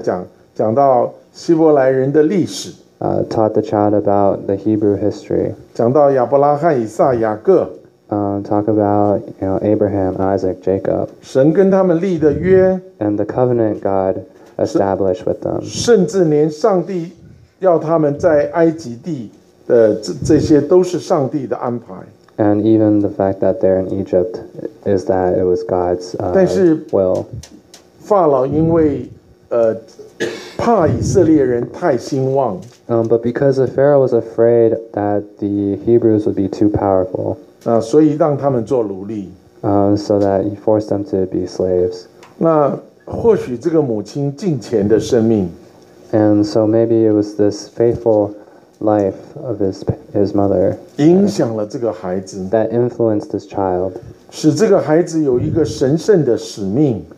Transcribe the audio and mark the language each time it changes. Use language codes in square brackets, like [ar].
[zh] 孩子讲到希伯来人的历史。 [en] Taught the child about the Hebrew history. [zh] 讲到亚伯拉罕、以撒、雅各。 [en] Talk about, you know, Abraham, Isaac, Jacob. [zh] 神跟他们立的约。 [en] And the covenant God established with them. [zh] 甚至连上帝要他们在埃及地的这些都是上帝的安排。 [en] And even the fact that they're in Egypt is that it was God's will. [zh] 但是法老因为怕以色列人太兴旺。 [en] But because the Pharaoh was afraid that the Hebrews would be too powerful. [zh] 所以让他们做奴隶。 [en] So that he forced them to be slaves. [zh] 那或许这个母亲敬虔的生命。 [en] And so maybe it was this faithful life of his mother. [zh] 影响了这个孩子。 [en] That influenced this child. [zh] 使这个孩子有一个神圣的使命。